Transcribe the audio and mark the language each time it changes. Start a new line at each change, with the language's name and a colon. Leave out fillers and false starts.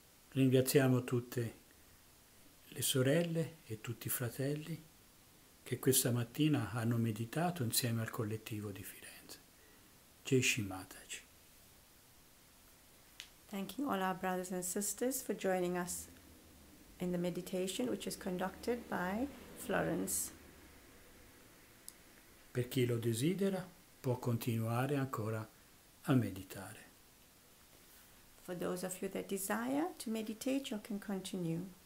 Italian: Ringraziamo tutte le sorelle e tutti i fratelli che questa mattina hanno meditato insieme al collettivo di Firenze.
Hindi: Jai Shri Mataji.
English: Thanking all our brothers and sisters for joining us in the meditation which is conducted by Florence.
Italian: Per chi lo desidera può continuare ancora a meditare.
English: For those of you that desire to meditate, you can continue.